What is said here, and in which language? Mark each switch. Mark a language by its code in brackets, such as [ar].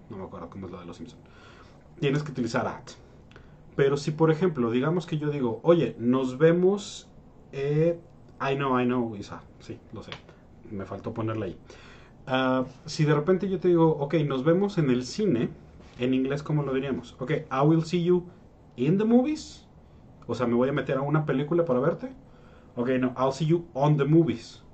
[es] No me acuerdo cómo es lo de los Simpson. Tienes que utilizar at. Pero si, por ejemplo, digamos que yo digo, oye, nos vemos. [en] I know, [es] Isa. Sí, lo sé. Me faltó ponerla ahí. Si de repente yo te digo, ok, nos vemos en el cine, en inglés, ¿cómo lo diríamos? [en] Ok, I will see you in the movies. [es] O sea, me voy a meter a una película para verte. [en] Ok, no, I'll see you on the movies.